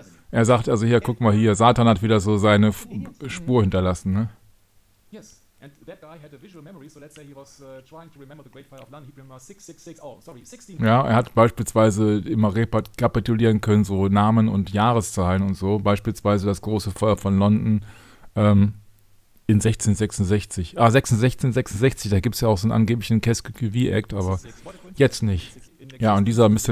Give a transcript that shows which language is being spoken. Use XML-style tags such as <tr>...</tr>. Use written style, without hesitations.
<de>Er sagt also hier, guck mal hier, Satan hat wieder so seine Spur hinterlassen.</de> <en>And that guy had a visual memory, so let's say he was trying to remember the Great Fire of London. He remembered 666, oh, sorry, 16.</en> <de>Ja, er hat beispielsweise immer rekapitulieren können, so Namen und Jahreszahlen und so. Beispielsweise das große Feuer von London in 1666. Ah, 1666, da gibt es ja auch so einen angeblichen Keskekevi-Act, aber jetzt nicht. Ja, und dieser Mr.</de>